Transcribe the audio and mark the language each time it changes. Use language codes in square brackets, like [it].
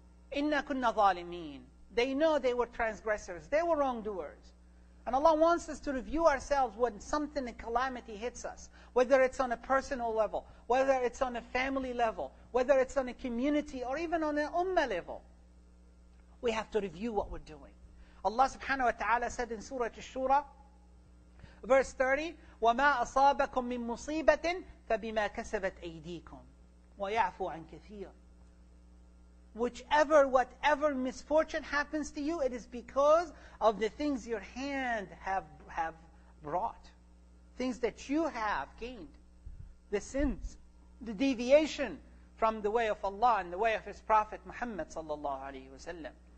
[ar] Inna kunna zalimin. [en] They know they were transgressors. They were wrongdoers. And Allah wants us to review ourselves when something, a calamity hits us. Whether it's on a personal level, whether it's on a family level, whether it's on a community, or even on an ummah level. We have to review what we're doing. Allah subhanahu wa ta'ala said in Surah Al-Shura, verse 30, [ar] وَمَا أَصَابَكُم مِّن مُصِيبَةٍ فَبِمَا كَسَبَتْ أَيْدِيكُمْ وَيَعْفُوا عَنْ كَثِيرٍ. [en] Whichever, whatever misfortune happens to you, it is because of the things your hand have brought. Things that you have gained. The sins, the deviation from the way of Allah and the way of His Prophet Muhammad sallallahu alayhi wa sallam.